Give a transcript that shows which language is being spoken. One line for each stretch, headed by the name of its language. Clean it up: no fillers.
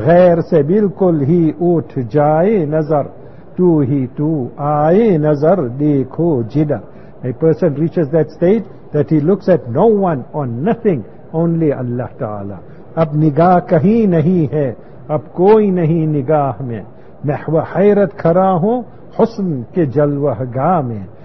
Urdu: غیر سے بالکل ہی اٹھ جائے نظر, تو ہی تو آئے نظر دیکھو جدر.
English: A person reaches that state that he looks at no one or nothing, only Allah Ta'ala.
Urdu: اب نگاہ کہیں نہیں ہے, اب کوئی نہیں نگاہ میں, محو حیرت کھرا ہوں حسن کے جلوہ گاہ میں.